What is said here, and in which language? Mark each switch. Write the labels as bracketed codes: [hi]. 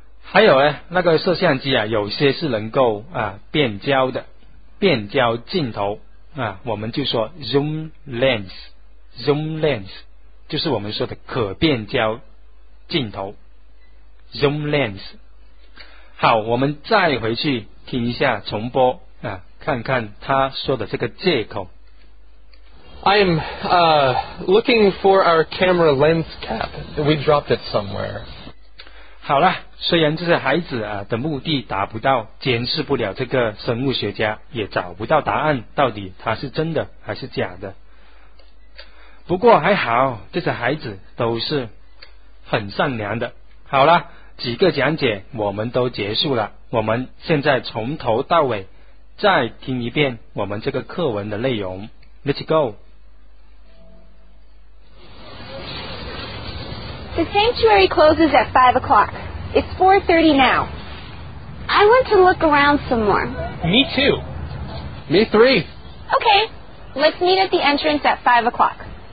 [zh] 还有呢，那个摄像机啊，有些是能够啊变焦的，变焦镜头啊，我们就说 zoom lens， zoom lens 就是我们说的可变焦镜头， zoom lens。好，我们再回去听一下重播啊，看看他说的这个借口。 [en] I'm looking for our camera lens cap. We dropped it somewhere. [zh] 好了，虽然这些孩子啊的目的达不到，监视不了这个生物学家，也找不到答案到底他是真的还是假的。不过还好这些孩子都是很善良的。好了，几个讲解我们都结束了，我们现在从头到尾再听一遍我们这个课文的内容。 [en] Let's go。 The sanctuary closes at 5 o'clock. It's 4:30 now. I want to look around some more. Me too. Me three. Okay, let's meet at the entrance at 5 o'clock.